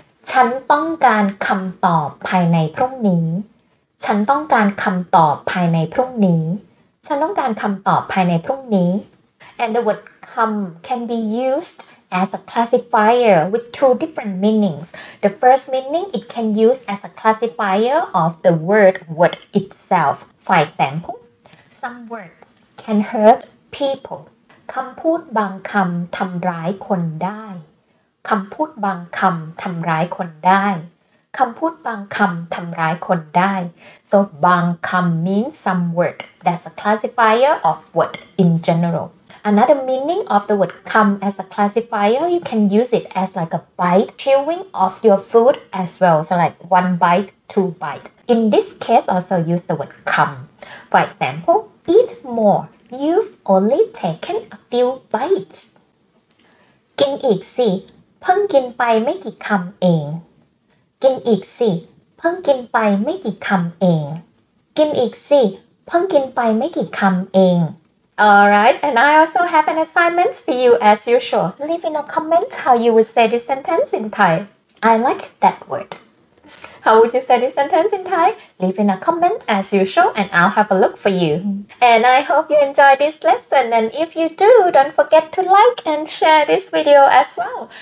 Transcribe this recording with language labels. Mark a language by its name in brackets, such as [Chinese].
[Thai] ฉันต้องการคำตอบภายในพรุ่งนี้ฉันต้องการคำตอบภายในพรุ่งนี้ฉันต้องการคำตอบภายในพรุ่งนี้ [English] And the word come can be usedAs a classifier with two different meanings. The first meaning it can use as a classifier of the word itself. For example, some words can hurt people. [Thai] คำพูดบางคำทำร้ายคนได้คำพูดบางคำทำร้ายคนได้คำพูดบางคำทำร้ายคนได้ [English] So บางคำ means some word. That's a classifier of word in general. Another meaning of the word come as a classifier, you can use it as like a bite chewing of your food as well. So like one bite, two bite. In this case, also use the word come. For example, eat more. You've only taken a few bites. [Thai] กินอีกสิ เพิ่งกินไปไม่กี่คำเอง กินอีกสิ เพิ่งกินไปไม่กี่คำเอง กินอีกสิ เพิ่งกินไปไม่กี่คำเอง [English] Alright, and I also have an assignment for you as usual. Leave in a comment how you would say this sentence in Thai. I like that word. How would you say this sentence in Thai? Leave in a comment as usual and I'll have a look for you. And I hope you enjoyed this lesson. And if you do, don't forget to like and share this video as well.